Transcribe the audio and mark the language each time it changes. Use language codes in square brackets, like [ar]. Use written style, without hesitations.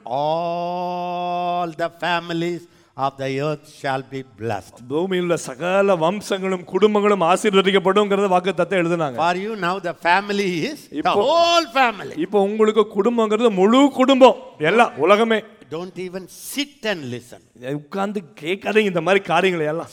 [en] all the families of the earth shall be blessed. [ta] பூமியில் உள்ள சகல வம்சங்களும் குடும்பங்களும் ஆசீர்வதிக்கப்படும்ங்கறத வாக்குத்தத்தம் எழுதுனாங்க. [en] For you now the family is the whole family. [ta] இப்போ உங்களுக்கு குடும்பங்கறது முழு குடும்பம் எல்லாம் உலகமே. [en] Don't even sit and listen. [ta] உட்கார்ந்து கேட்காதீங்க இந்த மாதிரி காரியங்களை எல்லாம்.